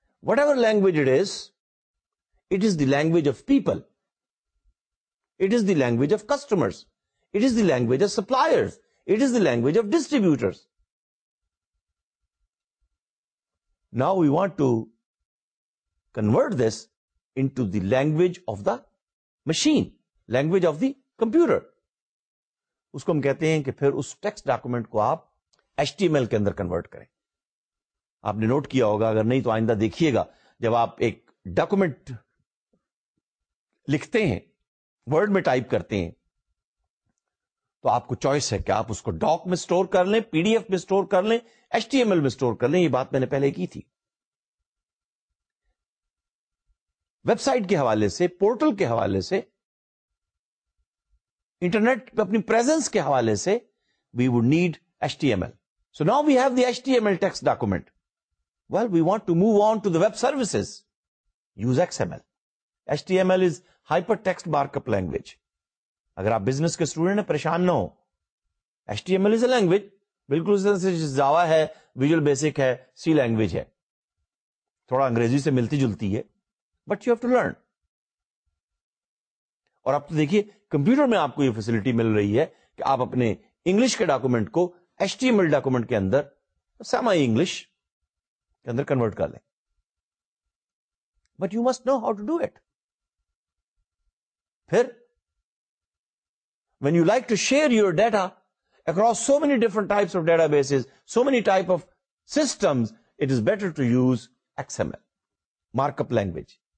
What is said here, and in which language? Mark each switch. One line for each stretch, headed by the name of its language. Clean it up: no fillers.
English: whatever language it is the language of people, it is the language of customers, it is the language of suppliers, it is the language of distributors. Now we want to convert this into the language of the machine, language of the computer.
Urdu: Usko hum kehte hain ki phir us text document ko aap HTML ke andar convert kare. آپ نے note کیا ہوگا, اگر نہیں تو آئندہ دیکھیے گا, جب آپ ایک ڈاکومنٹ لکھتے ہیں, ورڈ میں ٹائپ کرتے ہیں, تو آپ کو چوائس ہے کہ آپ اس کو ڈاک میں سٹور کر لیں, پی ڈی ایف میں سٹور کر لیں, ایچ ٹی ایم ایل میں سٹور کر لیں. یہ بات میں نے پہلے کی تھی. ویب سائٹ کے حوالے سے, پورٹل کے حوالے سے, انٹرنیٹ پہ اپنی پریزنس کے حوالے سے,
English: We would need H T M L. So now we have the H T M L text document. Well we want to move on to the web services, use X M L. H T M L is hyper text mark up language.
Urdu: اگر آپ business کے student ہیں پریشان نہ ہو,
English: H T M L is a language,
Urdu: بالکل جاوا ہے, visual basic ہے, سی language ہے, تھوڑا انگریزی سے ملتی جلتی ہے,
English: But you have to learn.
Urdu: اور آپ تو دیکھیے کمپیوٹر میں آپ کو یہ فیسلٹی مل رہی ہے کہ آپ اپنے انگلش کے ڈاکومنٹ کو H T M L document کے اندر, سیمی انگلش کے اندر کنورٹ کر لیں.
English: But you must know how to do it. پھر when you like to share your data across so many different types of databases, so many type of systems, it is better to use XML, markup language.